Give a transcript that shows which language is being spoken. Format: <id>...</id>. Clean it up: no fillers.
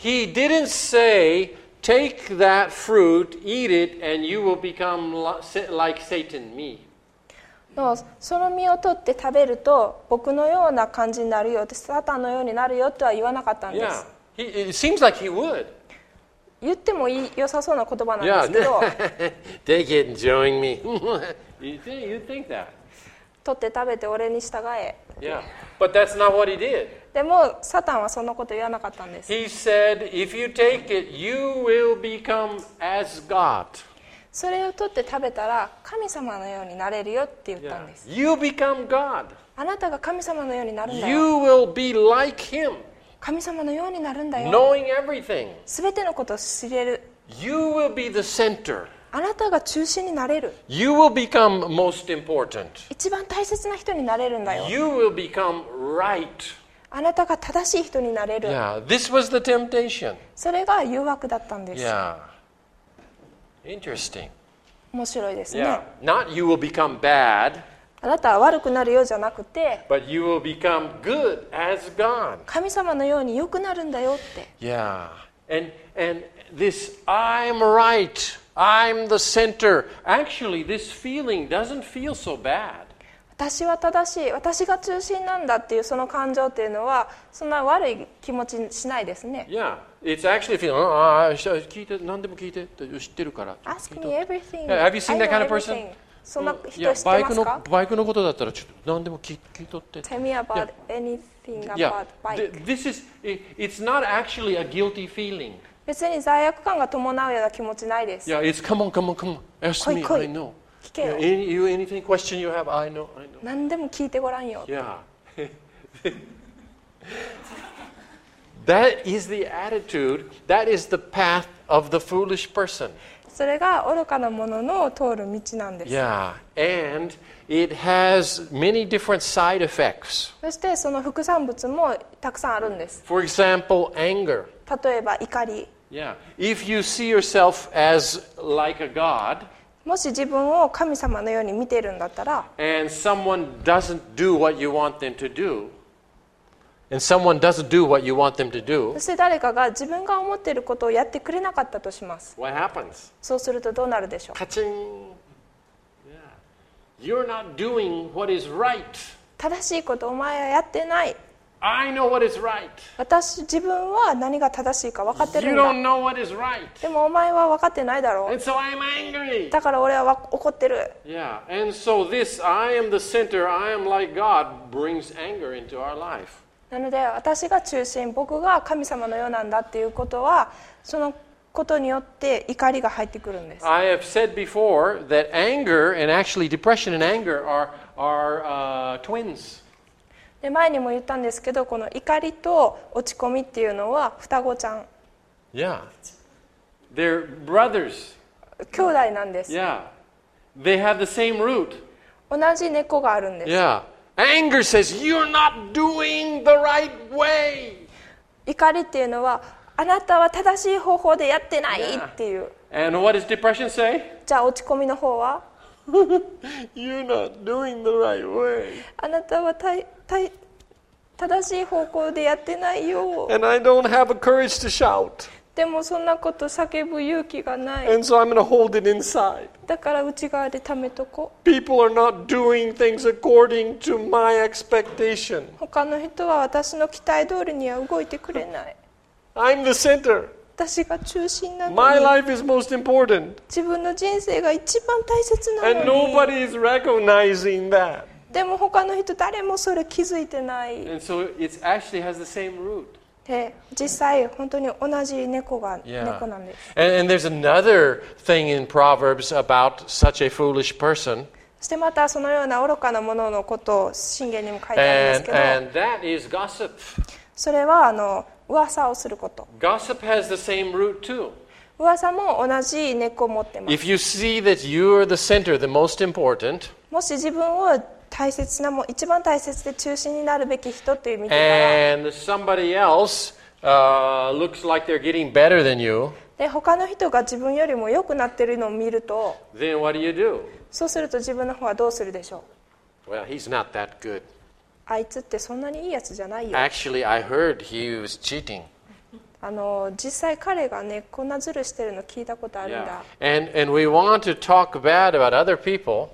<en>He didn't say, take that fruit, eat it, and you will become like Satan, me.</en> <ja>その実を取って食べると僕のような感じになるよ、サタンのようになるよとは言わなかったんです。</ja> <en>Yeah, it seems like he would.</en> <ja>言ってもいい良さそうな言葉なんですけど。</ja> <en>Take it and join me. You think that?</en> <ja>取って食べて俺に従え。</ja> <en>Yeah, but that's not what he did.</en> <ja>でもサタンはそんなこと言わなかったんです。</ja> <en>He said, if you take it, you will become as God.</en> <ja>それを取って食べたら神様のようになれるよって言ったんです。</ja> <en>You become God.</en> <ja>あなたが神様のようになるんだよ。</ja> <en>You will be like him.</en> <ja>神様のようになるんだよ。</ja> <en>Knowing everything.</en> <ja>全てのことを知れる。</ja> <en>You will be the center.</en> <ja>あなたが中心になれる。</ja> <en>You will become most important.</en> <ja>一番大切な人になれるんだよ。</ja> <en>You will become right.</en> <ja>あなたが正しい人になれる。</ja> <en>Yeah, this was the temptation.</en> <ja>それが誘惑だったんです。</ja> <en>Yeah. Interesting.</en> <ja>面白いですね。</ja> <en>Yeah. Not you will become bad.</en> <ja>あなたは悪くなるようじゃなくて、</ja> <en>But you will become good as God.</en> <ja>神様のように良くなるんだよって。</ja> <en>Yeah. And this I'm right. I'm the center. Actually, this feeling doesn't feel so bad.</en> <ja>私は正しい。私が中心なんだっていうその感情っていうのはそんな悪い気持ちしないですね。</ja> <en>Yeah. It's actually feeling.</en> <ja>聞いて何でも聞いて知ってるから。</ja> <en>Ask me everything. Yeah, have you seen that kind of person?</en> <ja>そんな人知ってますか？バイクのことだったらちょっと何でも聞いとって。</ja> <en>Tell me about anything about bike. It's not actually a guilty feeling.</en> <ja>別に罪悪感が伴うような気持ちないです。</ja> <en>Yeah, it's come on. Ask me, I know.</en> <ja>聞けよ。</ja> <en>Anything question you have, I know.</en> <ja>何でも聞いてごらんよ。</ja> <en>Yeah. That is the attitude. That is the path of the foolish person.</en> <ja>それが愚かなものの通る道なんです。</ja> <en>Yeah. And it has many different side effects.</en> <ja>そしてその副産物もたくさんあるんです。</ja> <en>For example, anger.</en> <ja>例えば怒り。</ja> <en>Yeah. If you see yourself as like a god,</en> <ja>もし自分を神様のように見ているんだったら、</ja> <en>and someone doesn't do what you want them to do. And someone doesn't do what you want them to do.</en> <ja>そして誰かが自分が思っていることをやってくれなかったとします。</ja> <en>What happens?</en> <ja>そうするとどうなるでしょう。カチン。</ja> <en>You're not doing what is right.</en> <ja>正しいことお前はやってない。</ja> <en>I know what is right.</en> <ja>私自分は何が正しいか分かってるんだ。</ja> <en>You don't know what is right.</en> <ja>でもお前は分かってないだろう。</ja> <en>And so I'm angry.</en> <ja>だから俺は怒ってる。</ja> <en>Yeah. And so this, I am the center, I am like God, brings anger into our life.</en> <ja>なので私が中心、僕が神様のようなんだっていうことは、そのことによって怒りが入ってくるんです。</ja> <en>I have said before that anger and actually depression and anger are twins.</en> <ja>で前にも言ったんですけど、この怒りと落ち込みっていうのは双子ちゃん。</ja> <en>Yeah. They're brothers.</en> <ja>兄弟なんです。</ja> <en>Yeah. They have the same root.</en> <ja>同じ根っこがあるんです。</ja> <en>Yeah. Anger says you're not doing the right way.</en> <ja>怒りっていうのはあなたは正しい方法でやってないっていう。</ja> <en>Yeah. And what does depression say?</en> <ja>じゃあ落ち込みの方は</ja> <en>You're not doing the right way.</en> <ja>あなたは正しい方向でやってないよ。</ja> <en>And I don't have a courage to shout.</en> <ja>でもそんなこと叫ぶ勇気がない。</ja> <en>And so I'm going to hold it inside.</en> <ja>だから内側で貯めとこ。</ja> <en>People are not doing things according to my expectation.</en> <ja>他の人は私の期待通りには動いてくれない。</ja> <en>I'm the center.</en> <ja>私が中心なのに。</ja> <en>My life is most important.</en> <ja>自分の人生が一番大切なのに。</ja> <en>And nobody is recognizing that.</en> <ja>でも他の人誰もそれ気づいてない。</ja> <en>And so it actually has the same root.</en> <ja>実際本当に同じ猫が猫なんです。</ja> <en>Yeah. And there's another thing in Proverbs about such a foolish person.</en> <ja>そしてまたそのような愚かなもののことを箴言にも書いてあるんですけど。</ja> <en>And that is gossip.</en> <ja>それは噂をすること。</ja> <en>Gossip has the same root too.</en> <ja>噂も同じ猫を持ってます。</ja> <en>If you see that you're the center, the most important.</en> <ja>もし自分を大切なも一番大切で中心になるべき人という見てから、</ja> <en>And somebody else, looks like they're getting better than you.</en> <ja>で他の人が自分よりも良くなってるのを見ると、</ja> <en>Then what do you do?</en> <ja>そうすると自分の方はどうするでしょう。</ja> <en>Well, he's not that good.</en> <ja>あいつってそんなにいいやつじゃないよ。</ja> <en>Actually, I heard he was cheating.</en> <ja>実際彼がね、こんなずるしてるの聞いたことあるんだ。</ja> <en>Yeah. And we want to talk bad about other people.</en>